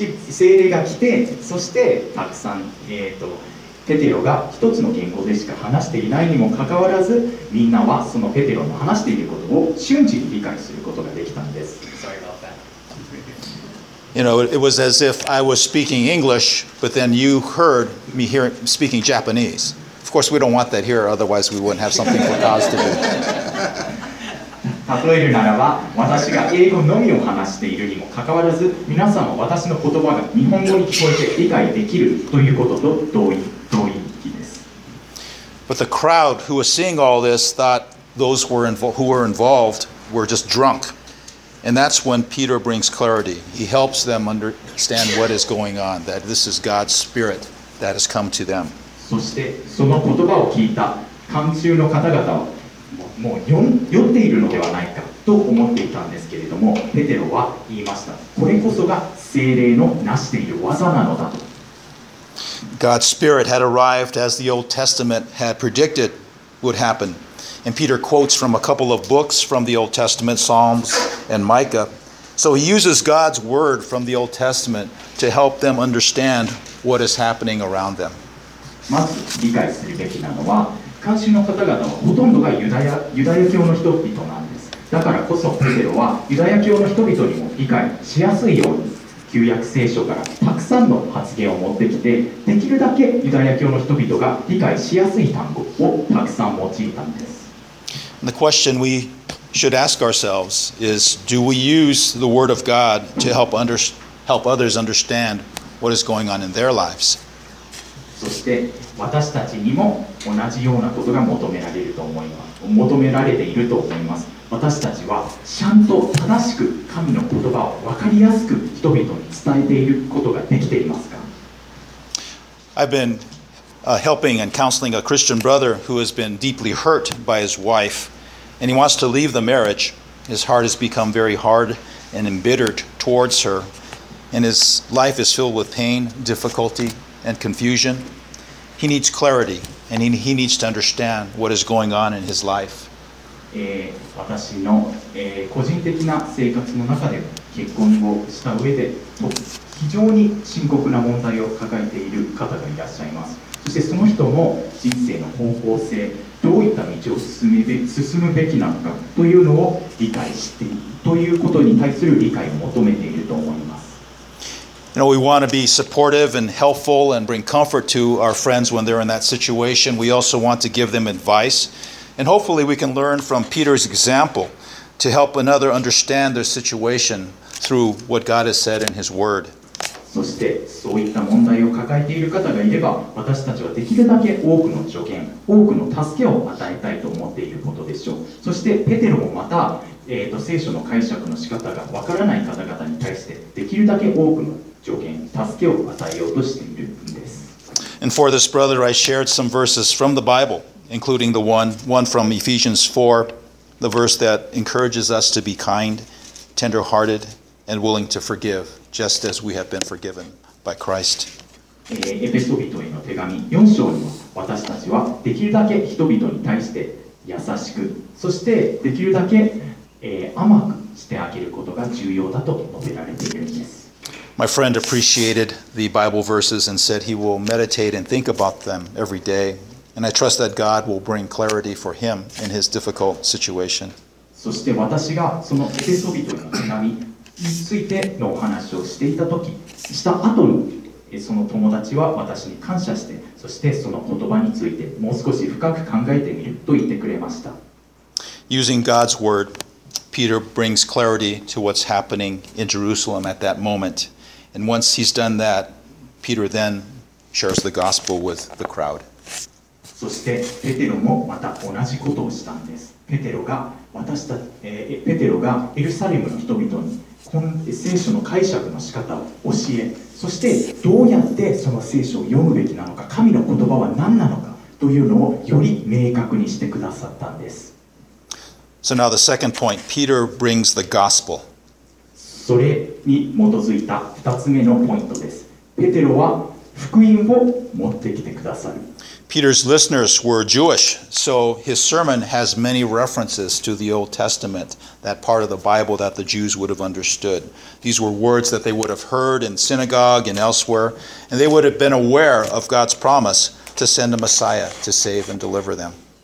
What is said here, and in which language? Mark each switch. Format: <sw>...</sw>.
<ja>聖霊が来て、そしてたくさん、ペテロが一つの言語でしか話していないにもかかわらず、みんなはそのペテロの話していることを瞬時に理解することができたんです。</ja> <en>You know, it was as if I was speaking English, but then you heard me here speaking Japanese. Of course, we don't want that here, otherwise we wouldn't have something for God to do.</en> <ja>例えるならば、私が英語のみを話しているにもかかわらず、皆さんは私の言葉が日本語に聞こえて理解できるということと同意義です。</ja> <en>But the crowd who was seeing all this thought those who were involved were just drunk. And that's when Peter brings clarity. He helps them understand what is going on, that this is God's Spirit that has come to them.</en> <ja>そしてその言葉を聞いた観衆の方々は、もう酔っているのではないかと思っていたんですけれども、ペテロは言いました。これこそが聖霊のなしている技なのだと。</ja> <en>God's Spirit had arrived as the Old Testament had predicted would happen. And Peter quotes from a couple of books from the Old Testament, Psalms and Micah, So he uses God's word from the Old Testament to help them understand what is happening around them.</en> <ja>まず理解するべきなのは、監視の方々はほとんどがユダヤ教の人々なんです。だからこそペテロはユダヤ教の人々にも理解しやすいように旧約聖書からたくさんの発言を持ってきて、できるだけユダヤ教の人々が理解しやすい単語をたくさん用いたんです。</ja> <en>The question we should ask ourselves is, do we use the word of God to help others understand what is going on in their lives?</en> <ja>そして私たちにも同じようなことが求められていると思います。私たちはちゃんと正しく神の言葉を分かりやすく人々に伝えていることができていますか？</ja> <en>I've beenhelping and counseling a Christian brother who has been deeply hurt by his wife, and he wants to leave the marriage. His heart has become very hard and embittered towards her, and his life is filled with pain, difficulty, and confusion. He needs clarity, and he needs to understand what is going on in his life.</en> <ja>私の、個人的な生活の中で結婚をした上で非常に深刻な問題を抱えている方がいらっしゃいます。そしてその人も人生の方向性、どういった道を進むべきなのかというのを理解して、ということに対する理解を求めていると思います。</ja> <en>You know, we want to be supportive and helpful and bring comfort to our friends when they're in that situation. We also want to give them advice. And hopefully we can learn from Peter's example to help another understand their situation through what God has said in his word.</en> <ja>そしてそういった問題を抱えている方がいれば、私たちはできるだけ多くの助言、多くの助けを与えたいと思っていることでしょう。そしてペテロもまた、聖書の解釈の仕方がわからない方々に対してできるだけ多くの助言、助けを与えようとしているんです。</ja> <en>And for this brother I shared some verses from the Bible, including the one from Ephesians 4, the verse that encourages us to be kind, tender-hearted, and willing to forgiveJust as we have been forgiven by Christ.</en> <ja>エペソ人への手紙4章にも、私たちはできるだけ人々に対して優しく、そしてできるだけ、甘くしてあげることが重要だと述べられているんです。</ja> <en>My friend appreciated the Bible verses and said he will meditate and think about them every day, and I trust that God will bring clarity for him in his difficult situation.</en> <ja>そして私がそのエペソ人への手紙についてのお話をしていたとき、した後にその友達は私に感謝して、そしてその言葉についてもう少し深く考えてみると言ってくれました。</ja> <en>Using God's word, Peter brings clarity to what's happening in Jerusalem at that moment. And once he's done that, Peter then shares the gospel with the crowd.</en> <ja>そしてペテロもまた同じことをしたんです。ペテロがエルサレムの人々に聖書の解釈の仕方を教え、そしてどうやってその聖書を読むべきなのか、神の言葉は何なのかというのをより明確にしてくださったんです。</ja> <en>So now the second point, Peter brings the gospel.</en> <ja>それに基づいた2つ目のポイントです。ペテロは福音を持ってきてくださる。</ja> <en>Peter's listeners were Jewish, so his sermon has many references to the Old Testament, that part of the Bible that the Jews would have understood. These were words that they would have heard in synagogue and elsewhere, and they would have been aware of God's promise to send a Messiah to save and deliver them.</en>